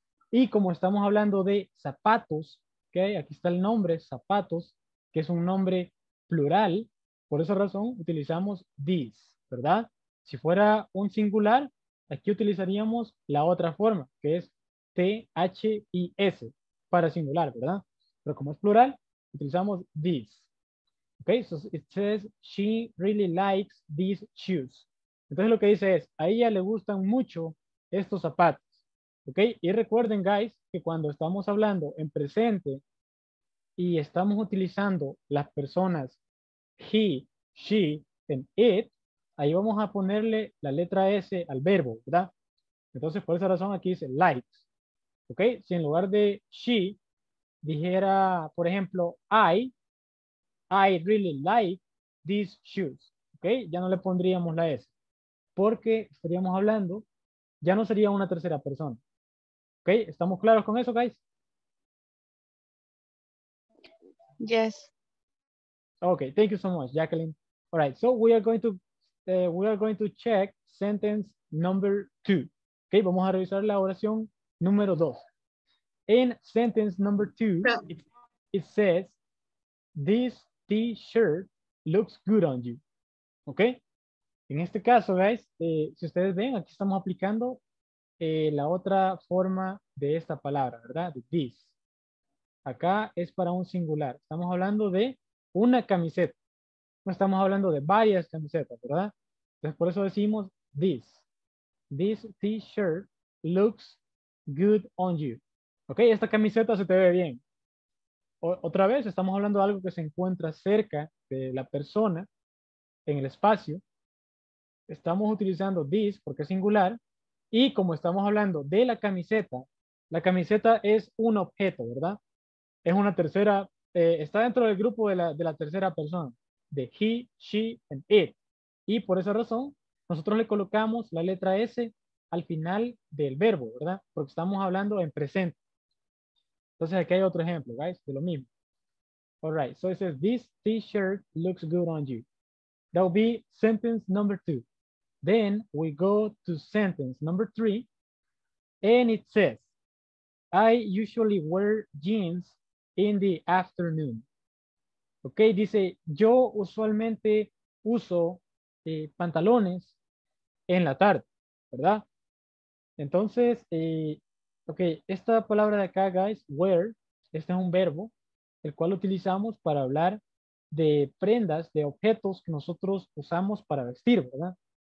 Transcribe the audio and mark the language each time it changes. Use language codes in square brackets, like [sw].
[es] Y como estamos hablando de zapatos, ¿okay? Aquí está el nombre, zapatos, que es un nombre plural. Por esa razón utilizamos this, ¿verdad? Si fuera un singular, aquí utilizaríamos la otra forma, que es T-H-I-S, para singular, ¿verdad? Pero como es plural, utilizamos this. [en] Ok, so it says, she really likes these shoes. [es] Entonces lo que dice es, a ella le gustan mucho estos zapatos. Ok, y recuerden, guys, que cuando estamos hablando en presente y estamos utilizando las personas he, she, and it, ahí vamos a ponerle la letra S al verbo, ¿verdad? Entonces, por esa razón aquí dice likes. ¿Ok? Si en lugar de she dijera, por ejemplo, [en] I really like these shoes. [es] ¿Ok? Ya no le pondríamos la S. Porque estaríamos hablando, ya no sería una tercera persona. ¿Ok? ¿Estamos claros con eso, guys? [en] Yes. Ok, thank you so much, Jacqueline. All right, so we are going to check sentence number 2. [es] Okay, vamos a revisar la oración número 2. [en] In sentence number 2, it says, this t-shirt looks good on you. Okay? [es] En este caso, guys, si ustedes ven, aquí estamos aplicando la otra forma de esta palabra, ¿verdad? This. Acá es para un singular. Estamos hablando de una camiseta. No estamos hablando de varias camisetas, ¿verdad? Entonces, por eso decimos this. [en] This t-shirt looks good on you. [es] Ok, esta camiseta se te ve bien. Otra vez, estamos hablando de algo que se encuentra cerca de la persona en el espacio. Estamos utilizando this porque es singular. Y como estamos hablando de la camiseta es un objeto, ¿verdad? Es una tercera, está dentro del grupo de la tercera persona. De he, she, and it. Y por esa razón, nosotros le colocamos la letra S al final del verbo, ¿verdad? Porque estamos hablando en presente. Entonces aquí hay otro ejemplo, guys, de lo mismo. [en] All right, so it says, this t-shirt looks good on you. That will be sentence number two. Then we go to sentence number three, and it says, I usually wear jeans in the afternoon. [es] Okay, dice, yo usualmente uso pantalones en la tarde, ¿verdad? Entonces, okay, esta palabra de acá, guys, wear, este es un verbo, el cual utilizamos para hablar de prendas, de objetos que nosotros usamos para vestir, ¿verdad?